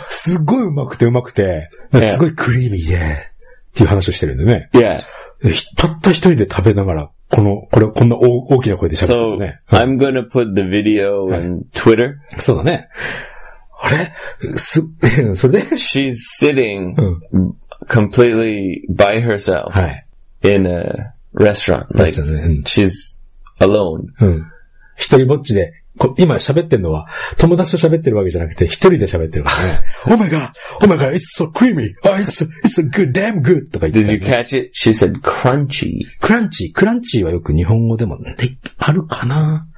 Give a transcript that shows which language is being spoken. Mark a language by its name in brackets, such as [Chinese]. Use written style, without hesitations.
[Japanese] すごいうまくて、すごいクリーミーで、っていう話をしてるんでね。 [English] Yeah. [Japanese] たった一人で食べながら、これをこんな大きな声で喋ってね。 [English] So, I'm gonna put the video on Twitter. [Japanese] そうだね。あれ?それで? [English] She's sitting. Completely by herself in a restaurant. Like, she's alone. [Japanese] 一人ぼっちで、今喋ってんのは友達と喋ってるわけじゃなくて一人で喋ってるわけ。 [English] Oh my god! Oh my god! It's so creamy! Oh, it's so good! Damn good! [Japanese] とか言って。 [English] Did you catch it? She said crunchy. Crunchy. [Japanese] Crunchy はよく日本語でもあるかな?